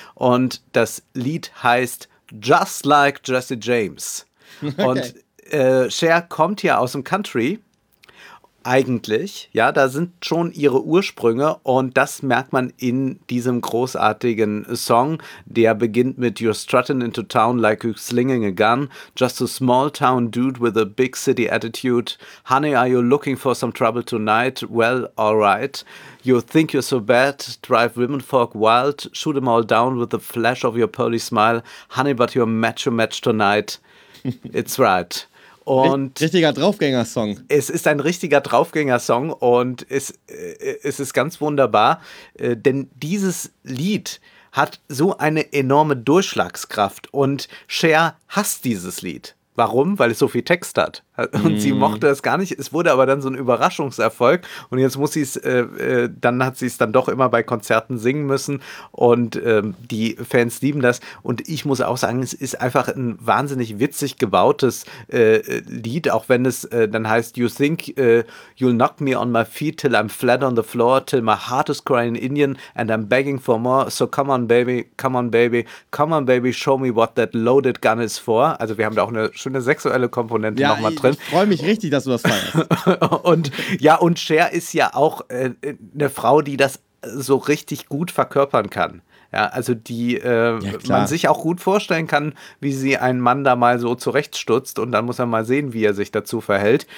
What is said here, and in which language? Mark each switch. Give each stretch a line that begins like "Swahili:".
German: Und das Lied heißt Just Like Jesse James. Okay. Und Cher kommt ja aus dem Country eigentlich. Ja, da sind schon ihre Ursprünge und das merkt man in diesem großartigen Song. Der beginnt mit
English: You're strutting into town like you're slinging a gun. Just a small town dude with a big city attitude. Honey, are you looking for some trouble tonight? Well, all right. You think you're so bad, drive womenfolk wild, shoot them all down with the flash of your pearly smile. Honey, but you're macho match tonight. It's right.
German: Und richtiger Draufgängersong. Es ist ein richtiger Draufgängersong und es ist ganz wunderbar, denn dieses Lied hat so eine enorme Durchschlagskraft und Cher hasst dieses Lied. Warum? Weil es so viel Text hat. Und sie mochte es gar nicht. Es wurde aber dann so ein Überraschungserfolg. Und jetzt muss sie es, dann hat sie es dann doch immer bei Konzerten singen müssen. Und die Fans lieben das. Und ich muss auch sagen, es ist einfach ein wahnsinnig witzig gebautes Lied. Auch wenn es dann heißt,
English: you think you'll knock me on my feet till I'm flat on the floor, till my heart is crying Indian and I'm begging for more. So come on baby, come on baby, come on baby, show me what that loaded gun is for.
German: Also wir haben da auch eine schöne sexuelle Komponente, ja, nochmal drin. Ich freue mich richtig, dass du das feierst. Und ja, und Cher ist ja auch eine Frau, die das so richtig gut verkörpern kann. Ja, also die man sich auch gut vorstellen kann, wie sie einen Mann da mal so zurechtstutzt und dann muss er mal sehen, wie er sich dazu verhält.